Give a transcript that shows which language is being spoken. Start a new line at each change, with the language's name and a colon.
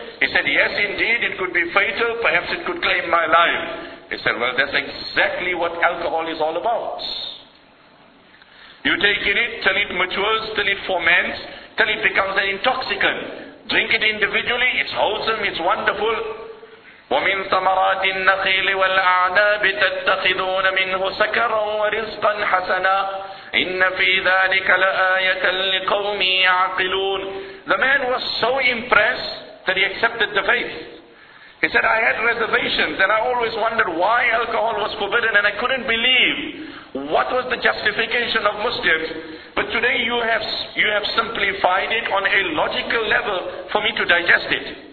English: He said, yes indeed, it could be fatal, perhaps it could claim my life. He said, well that's exactly what alcohol is all about. You take in it till it matures, till it ferments, till it becomes an intoxicant. Drink it individually, it's wholesome, it's wonderful.
Arabic: وَمِن ثَمَرَاتِ النَّخِيلِ وَالْأَعْنَابِ تَتَّخِذُونَ مِنْهُ سَكَرًا وَرِزْقًا حَسَنًا إِنَّ فِي ذَلِكَ لَآيَةً لِقَوْمِ يَعْقِلُونَ
English: The man was so impressed that he accepted the faith. He said, I had reservations and I always wondered why alcohol was forbidden and I couldn't believe what was the justification of Muslims. But today you have simplified it on a logical level for me to digest it.